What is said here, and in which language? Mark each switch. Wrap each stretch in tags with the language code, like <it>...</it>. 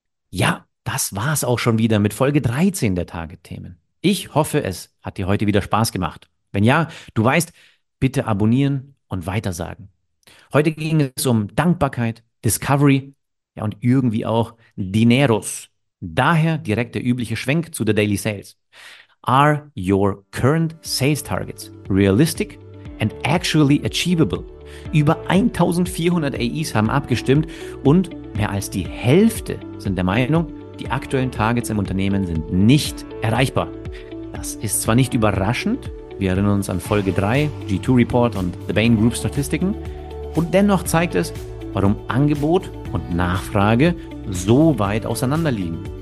<de>Ja, das war's auch schon wieder mit Folge 13 der Target-Themen. Ich hoffe, es hat dir heute wieder Spaß gemacht. Wenn ja, du weißt, bitte abonnieren und weitersagen. Heute ging es um Dankbarkeit, Discovery, ja, und irgendwie auch Dineros. Daher direkt der übliche Schwenk zu The Daily Sales.</de> <en>Are your current sales targets realistic and actually achievable?</en> <de>Über 1400 AEs haben abgestimmt und mehr als die Hälfte sind der Meinung, die aktuellen Targets im Unternehmen sind nicht erreichbar. Das ist zwar nicht überraschend, wir erinnern uns an Folge 3, G2 Report und The Bain Group Statistiken, und dennoch zeigt es, warum Angebot und Nachfrage so weit auseinanderliegen.</de>